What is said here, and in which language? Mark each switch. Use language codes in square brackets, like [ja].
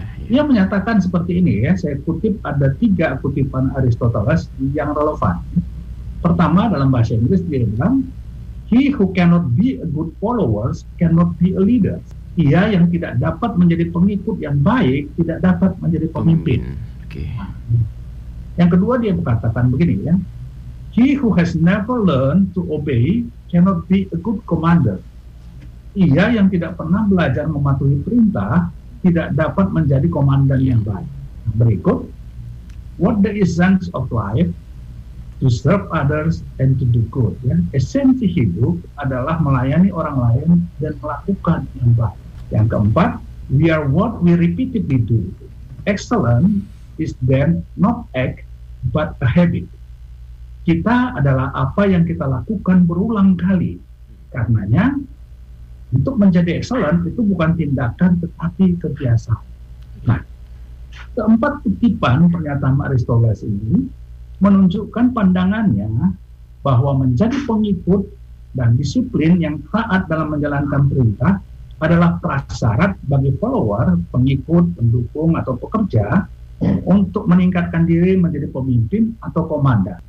[id] Dia menyatakan seperti ini ya, saya kutip ada 3 kutipan Aristoteles yang relevan. Pertama dalam bahasa Inggris dia bilang, [en] "He who cannot be a good follower cannot be a leader." [id] Ia yang tidak dapat menjadi pengikut yang baik tidak dapat menjadi pemimpin. Yang kedua dia mengatakan begini ya, [en] "He who has never learned to obey cannot be a good commander." [id] Ia yang tidak pernah belajar mematuhi perintah tidak dapat menjadi komandan yang baik. Berikut, [en] what the essence of life to serve others and to do good. [id] Ya. Esensi hidup adalah melayani orang lain dan melakukan yang baik. Yang keempat, [en] we are what we repeatedly do. Excellence is then not act but a habit. [id] Kita adalah apa yang kita lakukan berulang kali. Karenanya untuk menjadi excellent itu bukan tindakan tetapi kebiasaan. Nah, keempat kutipan pernyataan Aristoteles ini menunjukkan pandangannya bahwa menjadi pengikut dan disiplin yang taat dalam menjalankan perintah adalah prasyarat bagi follower, pengikut, pendukung atau pekerja untuk meningkatkan diri menjadi pemimpin atau komandan.